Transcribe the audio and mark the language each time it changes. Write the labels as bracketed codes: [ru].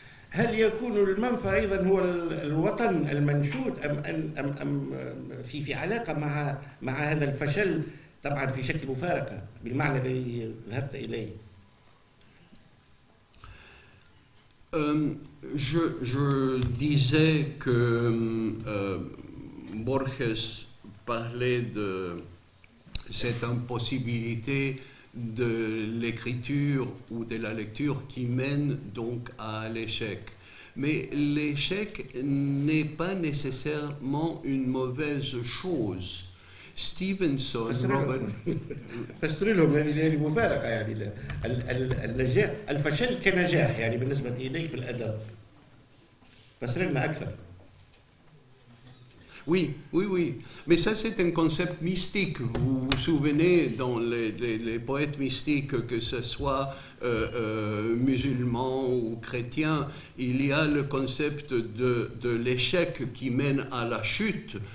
[ar] هل يكون المنفى ايضا هو الوطن المنشود ام في علاقه مع هذا الفشل طبعا في شكل مفارقه بالمعنى الذي ذهبت اليه. [fr] Je disais que Borges parlait de cette impossibilité de l'écriture ou de la lecture qui mène donc à l'échec. Mais l'échec n'est pas nécessairement une mauvaise chose. Stevenson, Robert... [ar] فسرلهم يعني مفارقة يعني النجاح الفشل كنجاح يعني بالنسبة إليك في الأدب فسرلنا أكثر. [fr] Oui, oui, oui. Mais ça, c'est un concept mystique. Vous vous souvenez dans les poètes mystiques, que ce soit musulman ou chrétien, il y a le concept de l'échec qui mène à la chute.